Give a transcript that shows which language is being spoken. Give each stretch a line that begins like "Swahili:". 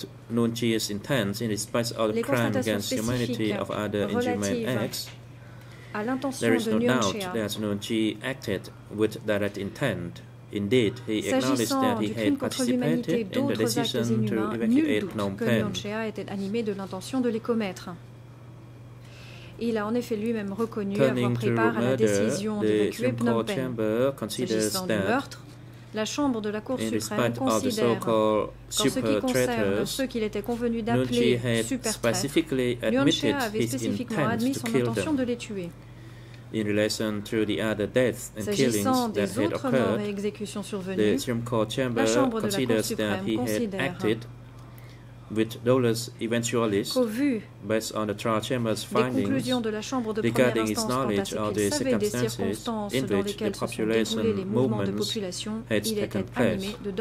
English: Nguyen Chi's intent in respect of the crime against humanity of other inhumane acts, there is no doubt that Nguyen Chi acted with direct intent. Indeed, he acknowledged that he had participated in the decision to evacuate Phnom Penh.
French: Nguyen Chi était animé de l'intention de les commettre. Il a en effet lui-même reconnu avoir pris part à la décision d'évacuer Phnom Penh. S'agissant du meurtre, la Chambre de la Cour suprême considère qu'en ce qui concerne ceux qu'il était convenu d'appeler super-traîtres, Nguyen Chi avait spécifiquement admis son intention de les tuer.
English: In relation to the other deaths and killings that had occurred, the Supreme Court chamber considers that he had acted with dollars eventually, based on the trial chamber's findings regarding its knowledge of the circumstances in which the population movements had taken place.